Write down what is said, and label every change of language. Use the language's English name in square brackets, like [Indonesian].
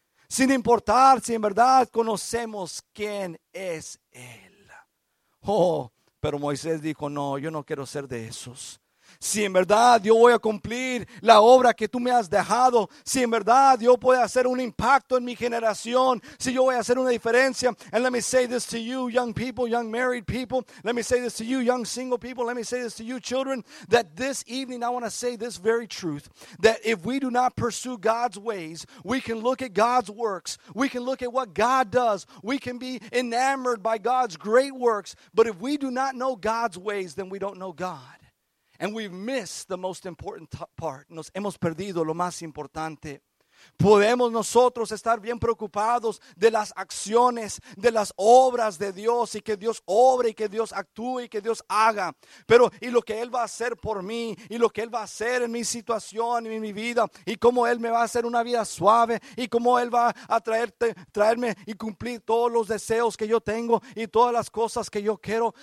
[Spanish] Sin importar si en verdad conocemos quién es Él. Oh, pero Moisés dijo: no, yo no quiero ser de esos. si en verdad yo voy a cumplir la obra que tú me has dejado, si en verdad yo puedo hacer un impacto en mi generación, si yo voy a hacer una diferencia. [English] And let me say this to you, young people, young married people. Let me say this to you, young single people. Let me say this to you, children, that this evening I want to say this very truth, that if we do not pursue God's ways, we can look at God's works. We can look at what God does. We can be enamored by God's great works. But if we do not know God's ways, then we don't know God. And we've missed the most important part. [Spanish] Nos hemos perdido lo más importante. Podemos nosotros estar bien preocupados de las acciones, de las obras de Dios, y que Dios obre y que Dios actúe y que Dios haga. Pero y lo que Él va a hacer por mí, y lo que Él va a hacer en mi situación y en mi vida, y cómo Él me va a hacer una vida suave, y cómo Él va a traerme y cumplir todos los deseos que yo tengo y todas las cosas que yo quiero.